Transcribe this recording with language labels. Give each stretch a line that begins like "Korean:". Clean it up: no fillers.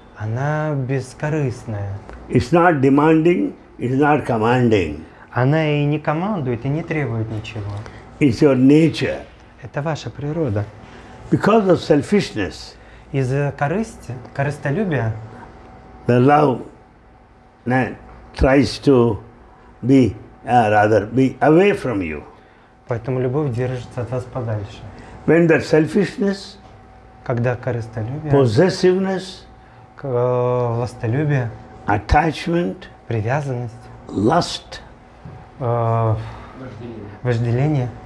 Russian: Она бескорыстная.
English: It's not demanding, it's not commanding.
Russian: Она и не командует, и не требует ничего.
English: It's your nature.
Russian: Это ваша природа.
English: Because of selfishness.
Russian: Из-за корысти, корыстолюбия.
English: The love tries to be, rather, be away from you.
Russian: Поэтому любовь держится от вас подальше.
English: When that selfishness,
Russian: когда корыстолюбие,
English: possessiveness,
Russian: властолюбие,
English: attachment,
Russian: привязанность,
English: lust,
Russian: вожделение,